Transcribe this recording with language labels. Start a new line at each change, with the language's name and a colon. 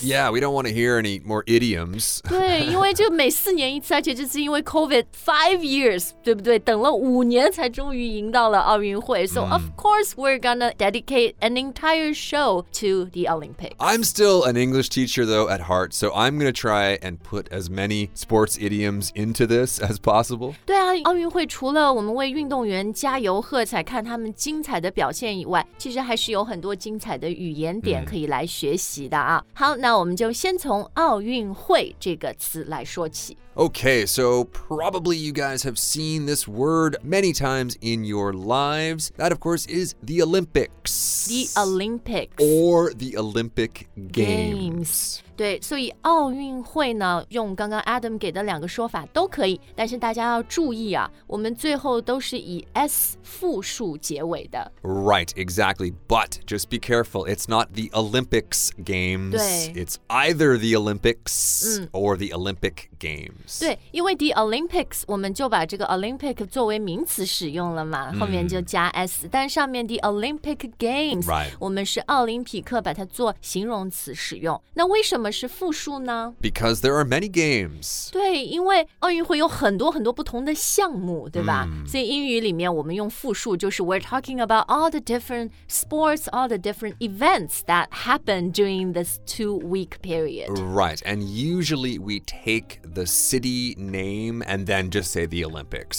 English: Yeah, we don't want to hear any more idioms.
Chinese: 对，因为就每四年一次，而且这次因为 COVID
English: five years，
Chinese: 对不对？等了五年才终于赢到了奥运会。
English: So of course we're gonna dedicate an entire show to the Olympics. I'm still an English teacher though at heart, so I'm gonna try and put as many sports idioms into this as possible.
Chinese: 对啊，奥运会除了我们为运动员加油喝彩，看他们精彩的表现以外，其实还是有很多精彩的语言点可以来学习的啊。好，那我们就先从奥运会这个词来说起。
English: Okay, so probably you guys have seen this word many times in your lives. That, of course, is the Olympics. The Olympics. Or the Olympic Games. Games.
Chinese: 对，所以奥运会呢，用刚刚 Adam 给的两个说法都可以，但是大家要注意啊，我们最后都是以 S 复数结尾的。
English: Right, exactly. But just be careful, it's not the Olympics Games.
Chinese: 对。
English: It's either the Olympics or the Olympic Games.
Chinese: 对，因为 the Olympics, 我们就把这个 Olympic 作为名词使用了嘛，后面就加 S, 但上面 the Olympic Games,、
English: right.
Chinese: 我们是奥林匹克把它做形容词使用。那为什么是复数呢？
English: Because there are many games.
Chinese: 对，因为奥运会有很多很多不同的项目，对吧？所以英语里面我们用复数就是
English: we're talking about all the different sports, all the different events that happen during this two-week period. Right, and usually we take the city name and then just say the Olympics.